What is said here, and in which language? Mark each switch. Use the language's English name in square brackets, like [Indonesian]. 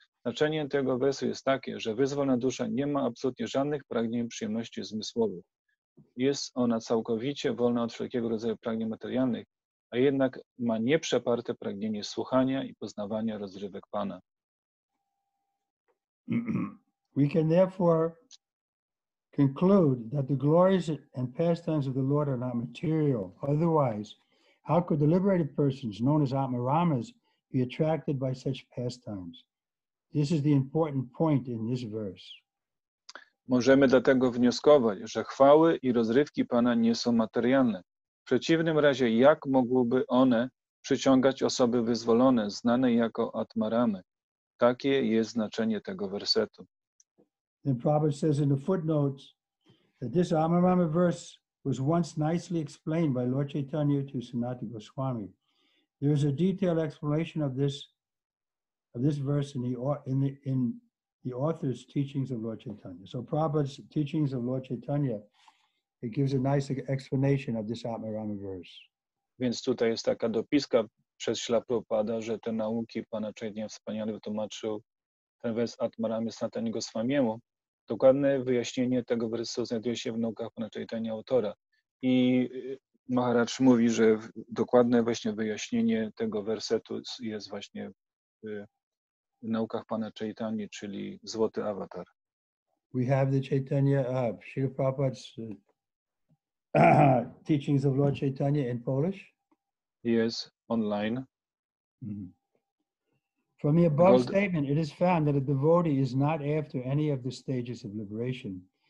[Polish] Znaczenie tego wersu jest takie, że wyzwolona dusza nie ma absolutnie żadnych pragnień przyjemności zmysłowych. Jest ona całkowicie wolna od wszelkiego rodzaju pragnień materialnych, a jednak ma nieprzeparte pragnienie słuchania i poznawania rozrywek Pana. [English] We can therefore conclude that the glories and pastimes of the Lord are not material. Otherwise, how could the liberated persons, known as Atmaramas, be attracted by such pastimes? This is the important point in this verse. [Polish] Możemy dlatego wnioskować, że chwały i rozrywki Pana nie są materialne. W przeciwnym razie, jak mogłyby one przyciągać osoby wyzwolone, znane jako Atmaramy? Takie jest znaczenie tego wersetu. [English] Then Prabhupada says in the footnotes that this Atmarama verse was once nicely explained by Lord Chaitanya to Sanatana Goswami. There is a detailed explanation of this verse in the author's teachings of Lord Chaitanya. So Prabhupada's teachings of Lord Chaitanya, it gives a nice explanation of this Atmarama verse. [Polish] Więc tutaj jest taka dopiska przez Śla Prabhupada, że te nauki Pana Chaitanya wspaniale wytłumaczył ten wers Atmarama Sanatana Goswamiemu. Dokładne wyjaśnienie tego wersu znajduje się w naukach Pana Chaitanya autora. I Maharaj mówi, że dokładne właśnie wyjaśnienie tego wersetu jest właśnie w naukach Pana Chaitanya, czyli Złoty Awatar. [English] We have the Chaitanya, Srila Prabhupada's teachings of Lord Chaitanya in Polish. Yes, online. Mm-hmm. From the above statement, it is found that a devotee is not after any of the stages of liberation.